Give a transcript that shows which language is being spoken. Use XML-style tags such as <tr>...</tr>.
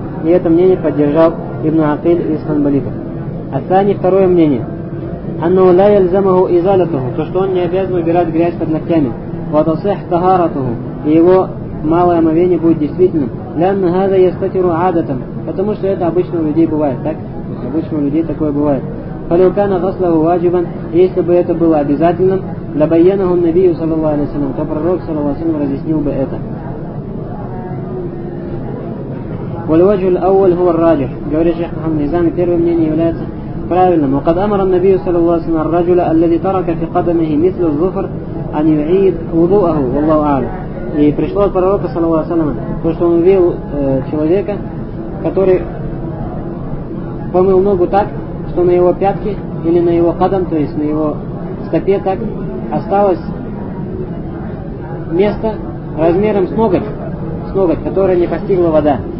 <ru>И это мнение поддержал Ибн Акиль из ханбалитов. Ас-сани, второе мнение.</ru> <ar>Анну ла яльзамаху изалятуху.</ar> <ru>То, что он не обязан убирать грязь под ногтями.</ru> <ar>Ва тасих тахаратуху.</ar> <ru>И его малое омовение будет действительным.</ru> <ar>لأن هذا يستتر عادة,</ar> <ru>потому что это обычно у людей бывает, так? Обычно у людей такое бывает.</ru> <ar>فلو كان غسله واجبا,</ar> <ru>если бы это было обязательным,</ru> <ar>لبينه النبي صلى الله عليه وسلم,</ar> <ru>то пророк</ru> <ar>صلى الله عليه وسلم</ar> <ru>разъяснил бы это.</ru> <ar>والوجه الأول هو الراجح,</ar> <ru>говорит شيخ محمد النظام, первое мнение является правильным.</ru> <ar>وقد أمر النبي صلى الله عليه وسلم الرجل الذي ترك في قدمه مثل الظفر أن يعيد وضوءه, والله أعلم.</ar> <ru>И пришло от пророка, саллаллаху алейхи ва саллям, то, что он увидел человека, который помыл ногу так, что на его пятке или на его кадам, то есть на его стопе так, осталось место размером с ноготь, которое не постигла вода.</ru>